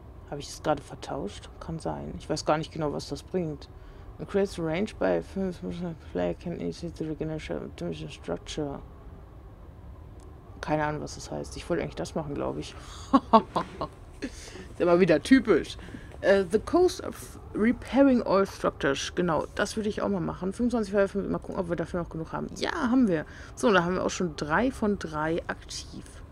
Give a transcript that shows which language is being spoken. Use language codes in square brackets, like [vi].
[de] Habe ich es gerade vertauscht? Kann sein. Ich weiß gar nicht genau, was das bringt. [en] Increase the range by 5% player can initiate the regeneration structure. [de] Keine Ahnung, was das heißt. Ich wollte eigentlich das machen, glaube ich. Ist immer wieder typisch. [en] The cost of repairing all structures. [de] Genau, das würde ich auch mal machen. 25, mal gucken, ob wir dafür noch genug haben. Ja, haben wir. So, da haben wir auch schon 3 von 3 aktiv.